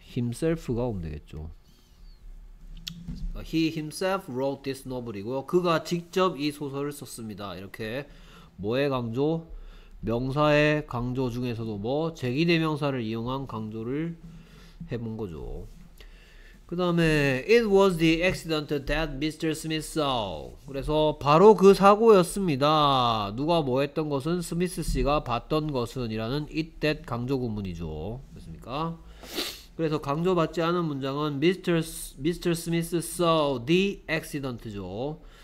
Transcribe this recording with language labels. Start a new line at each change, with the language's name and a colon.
English: himself가
Korean: 오면 되겠죠.
English: He himself wrote this novel이고요.
Korean: 그가 직접 이 소설을 썼습니다. 이렇게 뭐의 강조? 명사의 강조 중에서도 뭐 제기대명사를 이용한 강조를 해본 거죠. 그 다음에
English: It was the accident that Mr. Smith saw.
Korean: 그래서 바로 그 사고였습니다. 누가 뭐 했던 것은 스미스 씨가 봤던 것은 이라는 it that 강조구문이죠. 그렇습니까? 그래서 강조받지 않은 문장은 Mr.
English: Smith saw the accident죠.